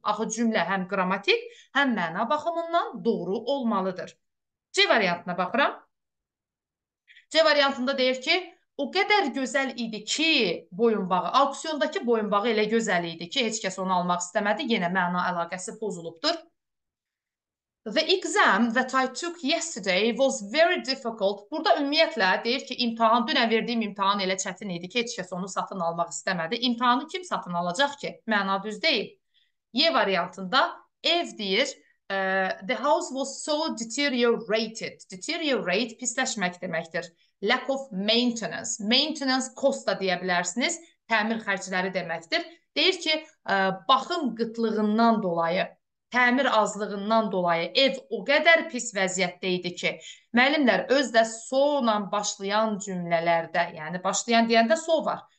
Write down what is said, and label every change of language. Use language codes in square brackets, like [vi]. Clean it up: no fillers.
[az] Axı cümlə həm qrammatik, həm məna baxımından doğru olmalıdır. C variantına baxıram. C variantında deyir ki, o qədər gözəl idi ki, boyunbağı, auksiyondakı boyunbağı elə gözəl idi ki, heç kəs onu almaq istəmədi, yenə məna əlaqəsi pozulubdur. [en] The exam that I took yesterday was very difficult. [az] Burada ümumiyyətlə deyir ki, imtahan, dünən verdiyim imtahan elə çətin idi ki, heç kəs onu satın almaq istəmədi. İmtahanı kim satın alacaq ki? Məna düz deyil. Y variantında ev deyir, [en] the house was so deteriorated. [az] Deteriorate pisləşmək deməkdir. [en] Lack of maintenance. [az] Maintenance cost da deyə bilərsiniz. Təmir xərcləri deməkdir. Deyir ki, baxım qıtlığından dolayı, təmir azlığından dolayı ev o qədər pis vəziyyətdə idi ki, müəllimlər özdə so-nan başlayan cümlələrdə, yəni başlayan deyəndə so var.